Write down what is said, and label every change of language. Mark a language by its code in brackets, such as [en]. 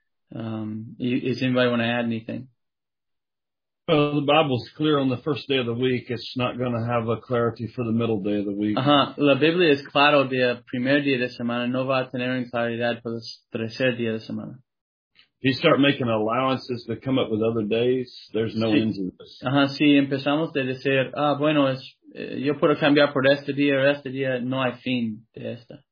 [en] Does anybody want to add anything? Well, the Bible's clear on the first day of the week. It's not going to have a clarity for the middle day of the week. Uh-huh. [es] La Biblia es claro de primer día de semana. No va a tener claridad por el tercer día de semana. [en] If you start making allowances to come up with other days, there's no ends in this. Uh-huh. [es] Si empezamos de decir, bueno, yo puedo cambiar por este día, no hay fin de esta.